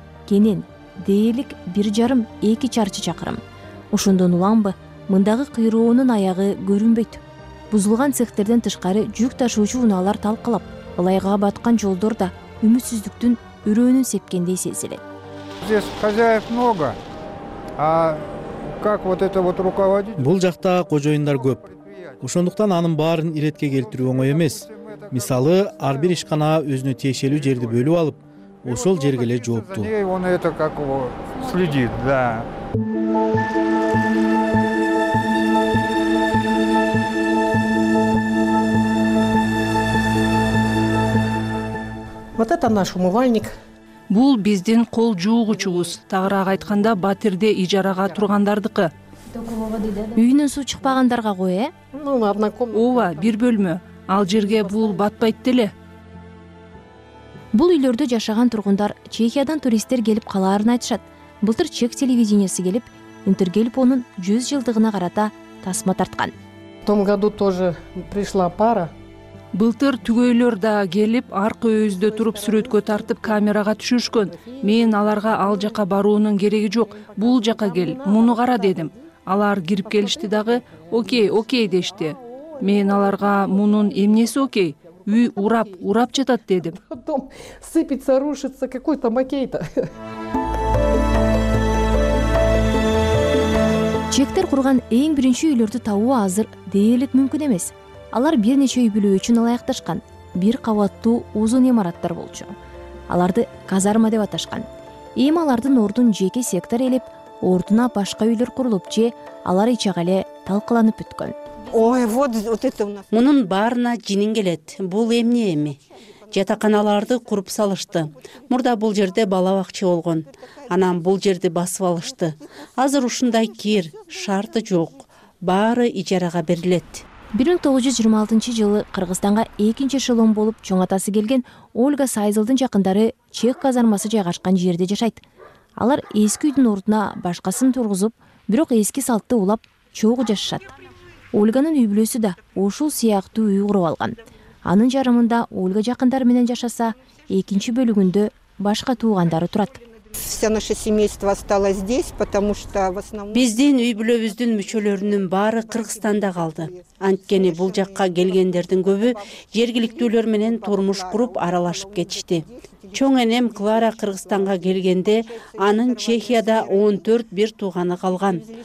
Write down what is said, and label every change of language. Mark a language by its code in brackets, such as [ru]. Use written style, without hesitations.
[ky] кенен, дээлик 1,5-2 чарчы чакырым. Ошондон уламбы, мындагы кыйроонун аягы көрүнбөйт. Бузулган цехтерден тышкары жүк ташуучу унаалар талкалап, ылайга баткан жолдор да үмүтсүздүктүн үрөөнүн сепкендей сезилет. [ru] Здесь хозяев много, а как вот это вот руководить? [ky] Бул жакта кожоюндар көп. Ошондуктан анын баарын иретке келтирүү оңой эмес. Мисалы, ар бир ишкана өзүнө тиешелүү жерди бөлүп алып, ошол жерге эле жооптуу. [ru] Он это как следит, да. Вот это наш умывальник. [ky] Бул биздин кол жуугучубуз. Тагыраак айтканда батирде ижарага тургандардыкы. Үйүнөн суу чыкпагандарга кой, э? [ru] Ну, одна комната. [ky] Ооба, бир бөлмө. Ал жерге бул батпайт деле. Бул үйлөрдө жашаган тургундар Чехиядан туристтер келип калаарын айтышат. Былтыр чек телевидениеси келип, Интергелпонун 100 жылдыгына карата тасма тарткан. [ru] В том году тоже пришла пара. [ky] Былтыр түгөйлөр да келип, аркы өздө туруп сүрөткө тартып камерага түшүшкөн. Мен аларга ал жака баруунун кереги жок. Бул жака кел, муну кара дедим. Алар кирип келишти дагы, окей, окей дешти. Мен аларга мунун эмнеси окей? Үй урап, урап жатат дедим. [ru] Потом сыпется, рушится, какой там окей-то. [ky] Чектер курган эң биринчи үйлөрдү табуу азыр дээлик мүмкүн эмес. Алар бир нече үй бүлө үчүн ылайыкташкан, бир кабаттуу узун имараттар болчу. Аларды казарма деп аташкан. Эми алардын ордун жеке сектор ээлеп, ордуна башка үйлөр курулуп же алар ичага эле талкаланып бүткөн. [ru] Ой, вот это у нас. [ky] Мунун баарына жинин келет. Бул эмне эми? Жатаканаларды куруп салышты. Мурда бул жерде бала бакча болгон. Анан бул жерди басып алышты. Азыр ушундай кир шарты жок. Баары ижарага берилет. 1926 жылы Кыргызстанга экинчи эшелон болуп чоң атасы келген Ольга Сайзылдын жакындары чех казармасы жайгашкан жерде жашайт. Алар эски үйдүн ордуна башкасын тургузуп, бирок эски салтты улап чогуу жашашат. Ольганын үй бүлөсү да ушул сыяктуу үй куруп алган. Анын жарымында Ольга жакындары менен жашаса, экинчи бөлүгүндө башка туугандары турат. [ru] Вся наше семейство осталось здесь, потому что в основном [ky] биздин үй бүлөбүздүн мүчөлөрүнүн баары Кыргызстанда калды. Анткени бул жакка келгендердин көбү жергиликтүүлөр менен турмуш куруп аралашып кетишти. Чоң энем Клара Кыргызстанга келгенде анын Чехияда 14 бир тууганы калган.